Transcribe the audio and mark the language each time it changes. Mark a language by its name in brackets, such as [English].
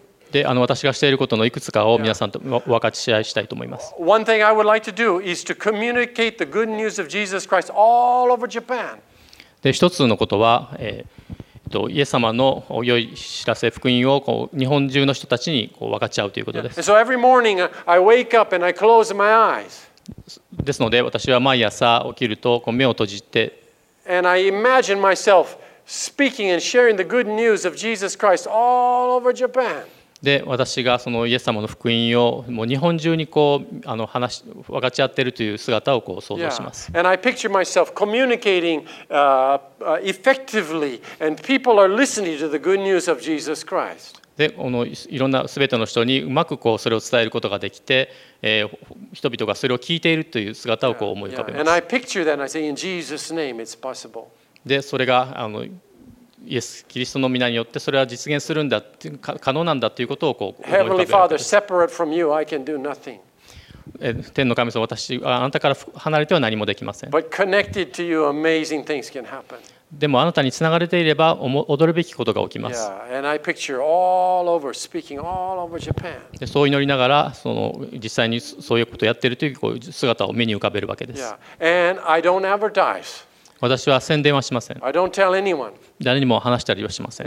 [Japanese] で、あの私がしていることのいくつかを皆さんと分かち合いしたいと思います。 [English] One thing I would like to do is to communicate the good news of Jesus Christ all over Japan. [Japanese] で、一つのことは、イエス様の良い知らせ福音をこう日本中の人たちにこう分かち合うということです。 [English] Yeah. So every morning I wake up and I close my eyes. [Japanese] ですので私は毎朝起きるとこう目を閉じて [English] And I imagine myself speaking and sharing the good news of Jesus Christ all over Japan. [Japanese] で私がそのイエス様の福音をもう日本中にこうあの話分かち合っているという姿をこう想像します。 [English] Yeah. And I picture myself communicating effectively and people are listening to the good news of Jesus Christ. [Japanese] でこのいろんな全ての人にうまくこうそれを伝えることができて、人々がそれを聞いているという姿をこう思い浮かべます。 [English] And I picture that and I say, in Jesus' name, it's possible. [Japanese] でそれがあのイエス・キリストの御名によってそれは実現するんだ、可能なんだということをこう思い浮かべます。 [English] Heavenly Father, separate from you, I can do nothing. [Japanese] 天の神様、私はあなたから離れては何もできません。 [English] But connected to you, amazing things can happen. [Japanese] でもあなたにつながれていれば踊るべきことが起きます。でそう祈りながらその実際にそういうことをやっているという姿を目に浮かべるわけです。私は宣伝はしません。誰にも話したりはしません。